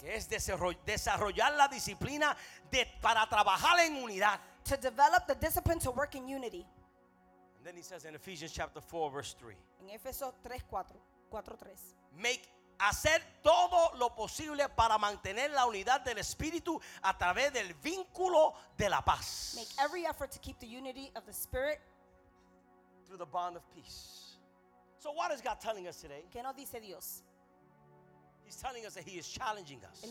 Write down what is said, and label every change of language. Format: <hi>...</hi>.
<es>Que es desarrollar la disciplina de, para trabajar en unidad.</es> <en>To develop the discipline to work in unity. And then he says in Ephesians chapter 4 verse 3.</en> <es>En Efesios 3:4-3. Make hacer todo lo posible para mantener la unidad del espíritu a través del vínculo de la paz.</es> <en>Make every effort to keep the unity of the spirit through the bond of peace. So what is God telling us today?</en> <es>¿Qué nos dice Dios?</es> <en>He's telling us that he is challenging us.</en>